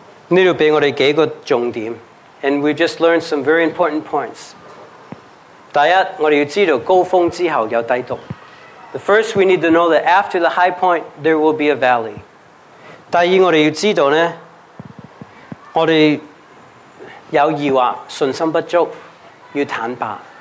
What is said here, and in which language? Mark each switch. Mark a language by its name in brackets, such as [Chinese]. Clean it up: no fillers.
[English] And we just learned some very important points. [Chinese] 第一,我们要知道高峰之后有低谷。 [English] The first, we need to know that after the high point, there will be a valley. [Chinese] 第二,我们要知道呢,我们有疑惑,信心不足,要坦白。